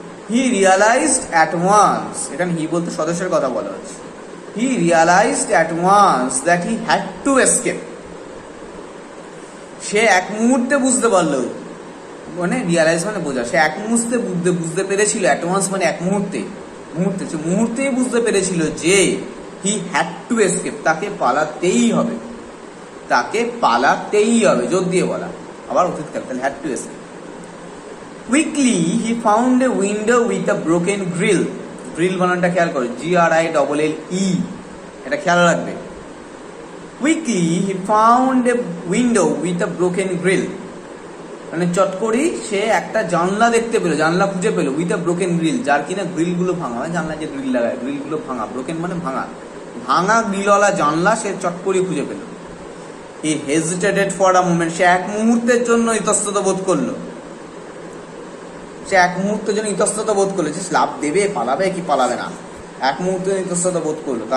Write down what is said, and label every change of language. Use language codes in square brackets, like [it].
[en] he realised at once, এখানে he বলতে সদস্যের কথা বলা হচ্ছে, he realised at once that he had to escape, [bn] সে এক মুহূর্তে বুঝতে পারলো, মানে রিয়ালাইজ মানে বোঝা, সে এক মুহূর্তে বুঝতে পেরেছিল, অ্যাট ওয়ান্স মানে এক মুহূর্তে, মুহূর্তে সে মুহূর্তেই বুঝতে পেরেছিল যে [en] he had to escape, [bn] তাকে পালাতেই হবে, তাকে পালাতেই হবে, জোর দিয়ে বলা, আবার অতীত কাল, তাহলে [en] Had to escape. Quickly he found a window with a broken grill. [bn] Grill বানানটা খেয়াল করো, GRILLE, এটা খেয়াল রাখবে। [en] Quickly he found a window with a broken grill. [bn] মানে চট করে সে একটা জানলা দেখতে পেলো, জানলা খুঁজে পেলো, [en] with a broken grill, [bn] যার কিনা গ্রিল গুলো ভাঙা হয়, জানলা যে গ্রিল লাগায় গ্রিল গুলো ভাঙা, ব্রোকেন মানে ভাঙা, ভাঙা গ্রিলওয়ালা জানলা সে চট করে খুঁজে পেলো। [en] He hesitated for a moment, [bn] সে এক মুহূর্তের জন্য ইতস্তত বোধ করলো, সে এক মুহূর্তের জন্য ইতস্তত বোধ করলো, যে লাভ দেবে পালাবে কি পালাবে না, এক মুহূর্তের জন্য ইতস্তত বোধ করলো।